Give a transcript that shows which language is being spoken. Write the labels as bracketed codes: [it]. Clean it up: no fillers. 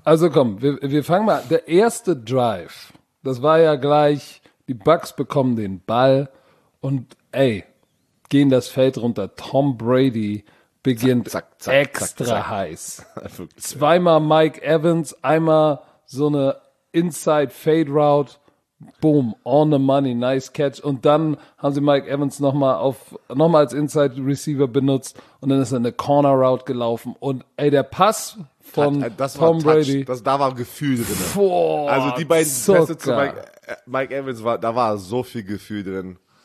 [de] Also komm, wir fangen mal an. Der erste Drive, das war ja gleich, die Bucks bekommen den Ball und gehen das Feld runter. Tom Brady beginnt heiß. Zweimal Mike Evans, einmal so eine Inside-Fade-Route. [en] Boom, on the money, nice catch. [de] Und dann haben sie Mike Evans nochmal als Inside Receiver benutzt und dann ist er eine Corner Route gelaufen. Und der Pass von Tom Brady. Da war Gefühl drin. Boah, also die beiden Pässe zu Mike Evans, da war so viel Gefühl drin.